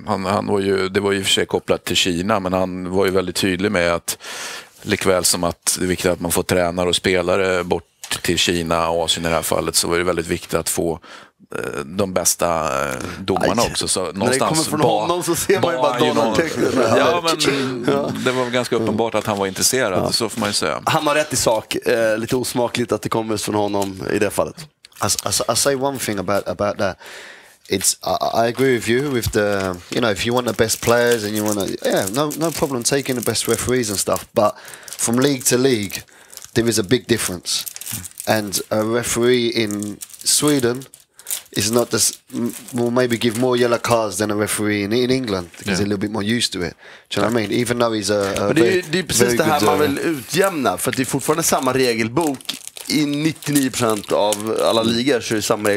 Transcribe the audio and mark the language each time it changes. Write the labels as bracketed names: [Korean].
[Swedish] Han var ju, det var ju i och för sig kopplat till Kina, men han var ju väldigt tydlig med att likväl som att det är viktigt att man får tränare och spelare bort till Kina och Asien i det här fallet, så var det väldigt viktigt att få de bästa domarna också. Så någonstans, när det kommer från honom så ser man ju bara Donald Tech. Ja, men det var ganska uppenbart att han var intresserad, ja. Så får man ju säga. Han har rätt i sak. Lite osmakligt att det kommer från honom i det fallet. [English] I say one thing about that. It's. I agree with you with the. You know, if you want the best players and you want to, yeah, no problem taking the best referees and stuff. But from league to league, there is a big difference. And a referee in Sweden is not just will maybe give more yellow cards than a referee in England because they're a little bit more used to it. Do you know what I mean? Even though he's a [Swedish] men det är precis det här man vill utjämna, för att det är fortfarande samma regelbok i 99% av alla ligor, så är det samma.